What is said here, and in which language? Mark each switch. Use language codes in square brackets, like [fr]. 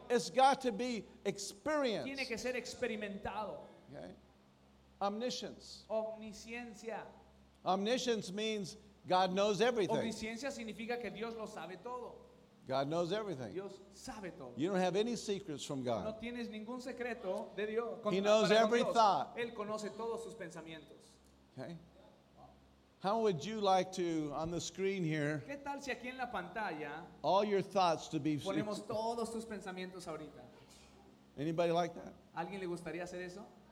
[en] It's got to be experienced. [es] Tiene que ser experimentado. [en] Okay. Omniscience. [es] Omnisciencia. [en] Omniscience means God knows everything. [es] Omnisciencia significa que Dios lo sabe todo. [en] God knows everything. [es] Dios sabe todo. [en] You don't have any secrets from God. [es] No tienes ningún secreto de Dios. [en] He knows every thought. [es] Él conoce todos sus pensamientos. [en] Okay. How would you like to, on the screen here, [es] ¿qué tal si aquí en la pantalla, [en] all your thoughts to be seen? [es] Ponemos todos tus pensamientos ahorita. [en] Anybody like that? [es] ¿Alguien le gustaría hacer eso?